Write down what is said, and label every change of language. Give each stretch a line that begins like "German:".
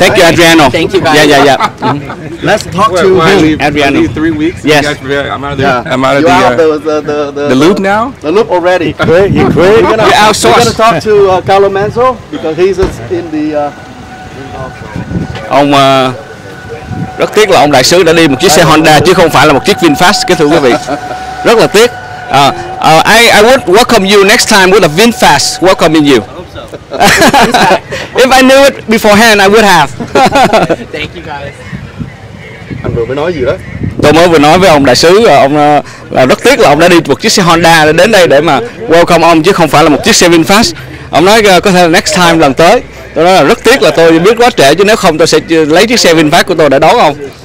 English: Thank you, Adriano. Thank you, guys. Yeah. Mm-hmm. Let's talk to him, Adriano. I need 3 weeks. Yes. I'm out of the loop now? The loop already. He quit. You're outsourced. You're going to talk to Carlo Manzo because he's in the...
Vietnamese: Rất tiếc là ông đại sứ đã đi một chiếc xe Honda chứ không phải là một chiếc VinFast, kính thưa quý vị. Rất là tiếc.
English: I would welcome you next time with a VinFast welcoming you. I hope so. If I knew it beforehand, I would have. Thank you, guys.
Vietnamese: Anh vừa mới nói gì đó? Tôi mới vừa nói với ông đại sứ, ông là rất tiếc là ông đã đi một chiếc xe Honda đến đây để mà welcome ông chứ không phải là một chiếc xe VinFast. Ông nói có thể là
English: next time
Vietnamese: lần tới. Tôi nói là rất tiếc là tôi biết quá trễ, chứ nếu không tôi sẽ lấy chiếc xe VinFast của tôi để đón ông.